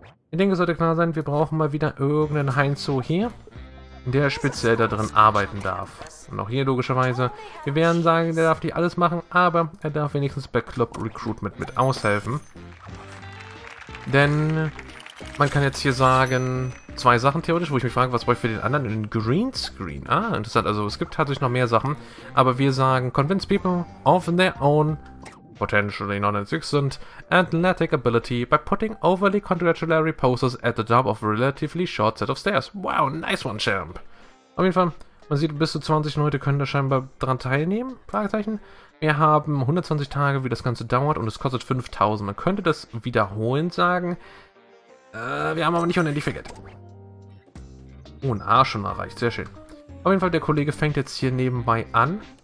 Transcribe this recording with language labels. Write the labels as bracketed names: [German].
[German] Ich denke, es sollte klar sein, wir brauchen mal wieder irgendeinen Heinzo hier, der speziell da drin arbeiten darf. Und auch hier logischerweise. Wir werden sagen, der darf nicht alles machen, aber er darf wenigstens bei Club Recruitment mit aushelfen. Denn man kann jetzt hier sagen, zwei Sachen theoretisch, wo ich mich frage, was brauche ich für den anderen? Ein Greenscreen. Ah, interessant. Also es gibt tatsächlich noch mehr Sachen. Aber wir sagen, [English] convince people of their own, potentially non-existent, athletic ability by putting overly congratulatory poses at the top of a relatively short set of stairs. Wow, nice one, Champ. [German] Auf jeden Fall, man sieht, bis zu 20 Leute können da scheinbar dran teilnehmen. Fragezeichen. Wir haben 120 Tage, wie das Ganze dauert und es kostet 5000. Man könnte das wiederholend sagen. Wir haben aber nicht unendlich viel Geld. Oh, ein A schon erreicht, sehr schön. Auf jeden Fall, der Kollege fängt jetzt hier nebenbei an.